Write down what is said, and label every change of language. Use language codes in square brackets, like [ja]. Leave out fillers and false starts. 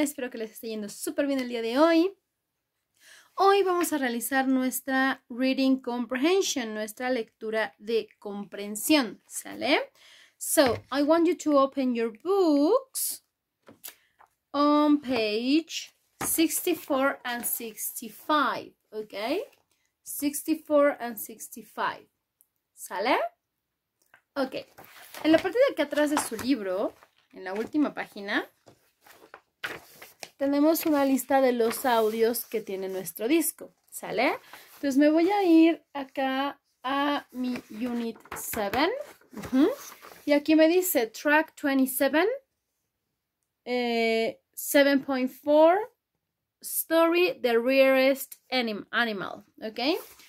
[es] Espero que les esté yendo súper bien el día de hoy. Hoy vamos a realizar nuestra reading comprehension, nuestra lectura de comprensión, ¿sale? [en] So, I want you to open your books on page 64 and 65, okay? 64 and 65, ¿sale? [es] Ok, en la parte de aquí atrás de su libro, en la última página, tenemos una lista de los audios que tiene nuestro disco, ¿sale? Entonces me voy a ir acá a mi Unit 7, y aquí me dice Track 27, 7.4, Story, The Rarest Animal, ¿ok?